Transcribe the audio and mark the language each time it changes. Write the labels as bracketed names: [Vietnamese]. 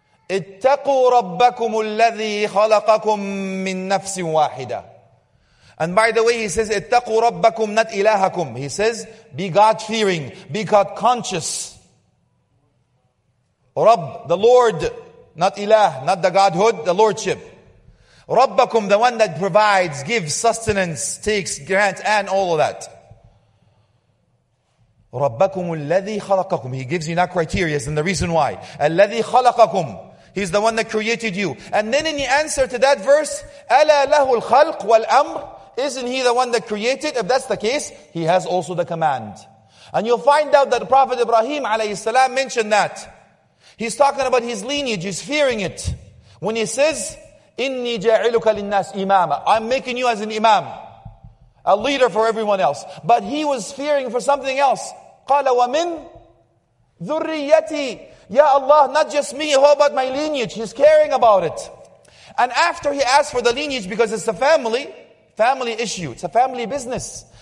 [Arabic] اتقوا ربكم الذي خلقكم من نفس واحدة. [English] And by the way, he says, [Arabic] اتقوا ربكم [English] not إلهكم. He says, be God-fearing, be God-conscious. رب, the Lord, not إله, not the Godhood, the Lordship. ربكم, the one that provides, gives sustenance, takes, grants, and all of that. [Arabic] ربكم الذي خلقكم. [English] He gives you not criteria, and the reason why. [Arabic] الذي خلقكم. [English] He's the one that created you. And then in the answer to that verse, [Arabic] أَلَا لَهُ الْخَلْقُ وَالْأَمْرُ. [English] Isn't he the one that created? If that's the case, he has also the command. And you'll find out that Prophet Ibrahim alayhi salam mentioned that. He's talking about his lineage, he's fearing it. When he says, [Arabic] إِنِّي جَعِلُكَ لِلنَّاسِ إِمَامًا. [English] I'm making you as an imam, a leader for everyone else. But he was fearing for something else. [Arabic] قَالَ وَمِنْ ذُرِّيَّتِي. [English] Ya Allah, not just me, how about my lineage? He's caring about it. And after he asked for the lineage, because it's a family issue, it's a family business.